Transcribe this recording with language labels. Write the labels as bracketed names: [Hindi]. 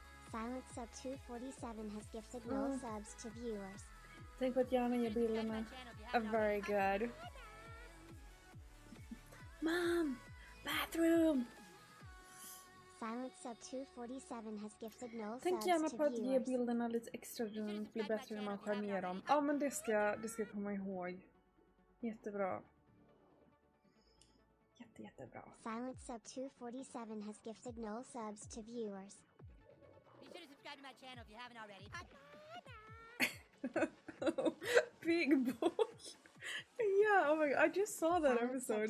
[English] Silent Sub 247 has gifted no subs to viewers. I think with Yana you'll be Lima. Very good. Mom! Bathroom! Silent Sub 247 has gifted no subs to viewers. [Swedish] Tänk gärna på att ge bilderna lite extra runt, bli bättre när man skär ner dem. Ja, men det ska jag komma ihåg. Jättebra. Jättebra. [English] Silent Sub 247 has gifted no subs to viewers. Be sure to subscribe to my channel if you haven't already. Big boy. Yeah, oh my god, I just saw that episode.